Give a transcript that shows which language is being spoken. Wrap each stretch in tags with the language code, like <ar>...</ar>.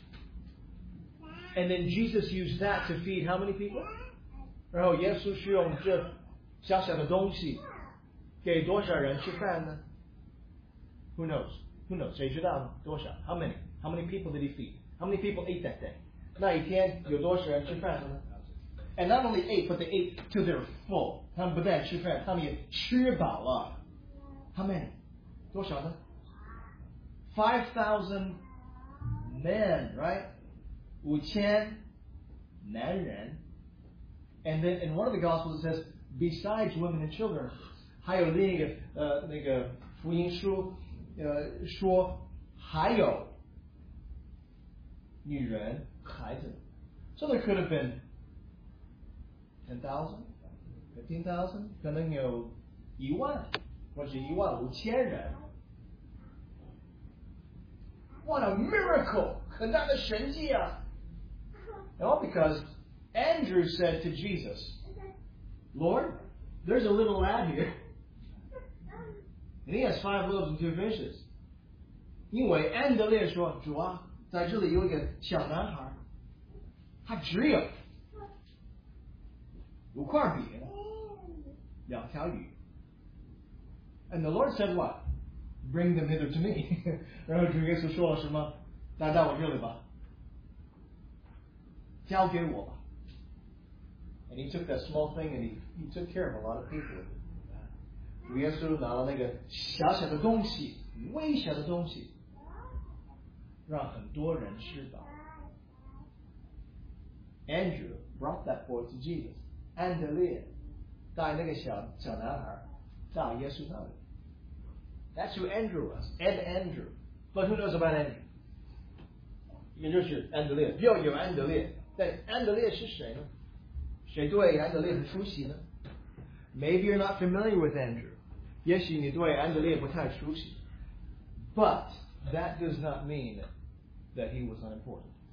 <zh>他和耶稣分享他的午饭，就是五块饼，不是饼，sorry，五块饼，还有两条鱼。</zh> <en>And then Jesus used that to feed how many people?</en> <zh>然后耶稣是用这小小的东西给多少人吃饭呢？</zh> <en>Who knows? Who knows?</en> <zh>谁知道多少?</zh> <en>How many? How many people did he feed? How many people ate that day?</en> <zh>那一天有多少人吃饭呢?</zh> <en>And not only ate, but they ate till they were full.</en> <zh>他们不但吃饭，他们也吃饱了。</zh> <en>How many?</en> <zh>多少呢?</zh> <en>5,000 men, right?</en> <zh>5,000 男人.</zh> <en>And then in one of the Gospels it says, besides women and children,</en> <zh>还有另一个福音书, 说还有女人孩子，</zh> <en>so there could have been 10,000, 15,000，</en> <zh>可能有10,000或者15,000人。</zh> <en>What a miracle!</en> <zh>很大的神迹啊!</zh> <en>And all because Andrew said to Jesus, Lord, there's a little lad here. And he has 5 loaves and 2 fishes.</en> <zh>因为安德烈说,主啊, 在这里有一个小男孩, 他只有, 五块饼, 两条鱼。</zh> <en>And the Lord said what? Bring them hither to me.</en> <zh>然后主耶稣说了什么? 来到我这里吧, 交给我吧。</zh> <en>And he took that small thing and he took care of a lot of people.</en> <zh>主耶稣拿了那个小小的东西, 微小的东西, 让很多人吃饱。</zh> <en>Andrew brought that boy to Jesus.</en> <zh>Andalia 带那个小男孩到耶稣那里。</zh> <en>That's who Andrew was. Ed Andrew. But who knows about Andrew?</en> <zh>也就是安德烈, 又有安德烈, 但安德烈是谁呢? 谁对安德烈很熟悉呢?</zh> <en>Maybe you're not familiar with Andrew.</en> <zh>也许你对安德烈不太熟悉,</zh> <en>but that does not mean that he was unimportant.</en>